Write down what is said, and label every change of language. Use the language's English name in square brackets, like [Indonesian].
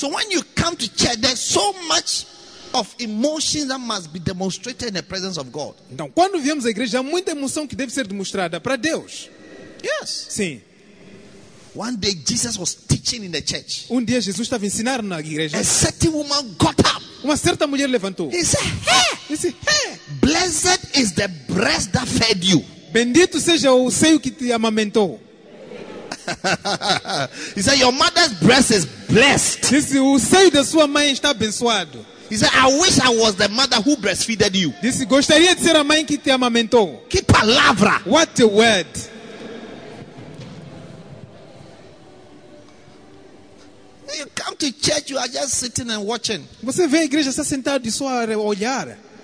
[English] So when you come to church, there's so much of emotions that must be demonstrated in the presence of God. [Portuguese] Então, quando viemos à igreja, há muita emoção que deve ser demonstrada para Deus. [English] Yes. [Portuguese] Sim. [English] One day Jesus was teaching in the church. [Portuguese] Um dia Jesus estava ensinando na igreja. [English] A certain woman got up. [Portuguese] Uma certa mulher levantou. [English] He said, hey, he said, hey. Blessed is the breast that fed you. [Portuguese] Bendito seja o seio que te amamentou. [English] He said, your mother's breast is blessed. [Portuguese] Disse, o seio da sua mãe está abençoado. [English] He said, I wish I was the mother who breastfeeded you. [Portuguese] Disse, gostaria de ser a mãe que te amamentou. Que palavra. [English] What a word. You come to church, you are just sitting and watching. [Portuguese] Você vem à igreja, está sentado e só a olhar.